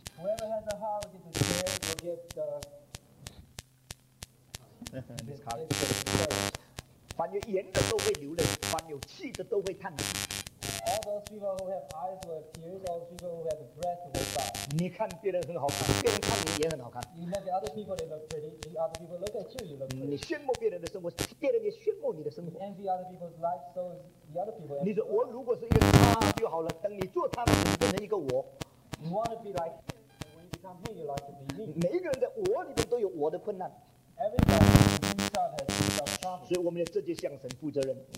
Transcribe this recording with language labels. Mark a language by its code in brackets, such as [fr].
[en] Whoever has a heart will get the care, will get the. This card. [zh] 凡有眼的都会流泪，凡有气的都会叹息。 [en] All those people who have eyes will have tears. All those people who have breath will sigh. [zh] 你看别人很好看，别人看你也很好看。 [en] You look at other people, they look pretty. The other people look at you, you look pretty. [zh] 你羡慕别人的生活，别人也羡慕你的生活。 [en] You envy other people's life, so the other people. [zh] 你说我如果是一个他就好了，等你做他的时候，变成一个我。 [en] You want to be like him, and when you become him, you like to be me. [zh] 每一个人在我里面都有我的困难。所以我们要直接向神负责任。